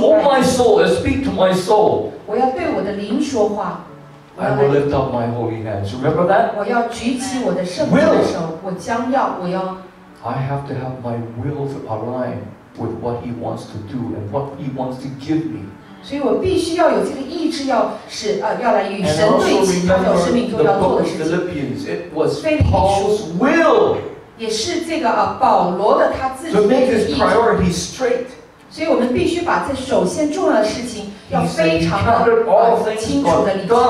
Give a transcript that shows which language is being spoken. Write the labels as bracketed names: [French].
[English] Bless the Lord, oh my soul, and speak to my soul. [Chinese] 我要对我的灵说话。 [English] I will lift up my holy hands. Remember that? [Chinese] 我要举起我的圣洁的手。我将要，我要。 [English] I have to have my will to align with what He wants to do and what He wants to give me. [Chinese] 所以我必须要有这个意志，要是要来与神对齐，他在我生命中要做的事情。 [English] It was Paul's will. [Chinese] 也是这个保罗的他自己的意志。 [English] To make his priorities straight. [Chinese] 所以我们必须把这首先重要的事情要非常的清楚的理解。